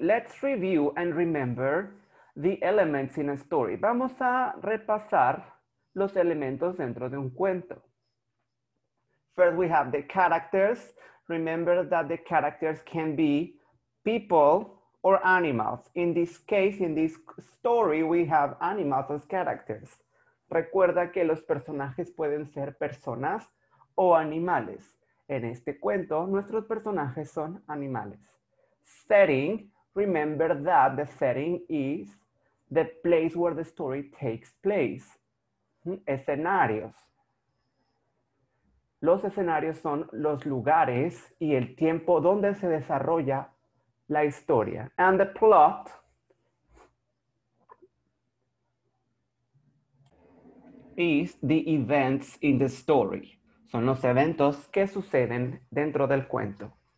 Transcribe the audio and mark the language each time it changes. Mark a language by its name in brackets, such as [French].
[English] Let's review and remember the elements in a story. [Spanish] Vamos a repasar los elementos dentro de un cuento. [English] First, we have the characters. Remember that the characters can be people or animals. In this case, in this story, we have animals as characters. [Spanish] Recuerda que los personajes pueden ser personas o animales. En este cuento, nuestros personajes son animales. [English] Setting, remember that the setting is the place where the story takes place. [Spanish] Escenarios. Los escenarios son los lugares y el tiempo donde se desarrolla la historia. And the plot. Is the events in the story. Son los eventos que suceden dentro del cuento.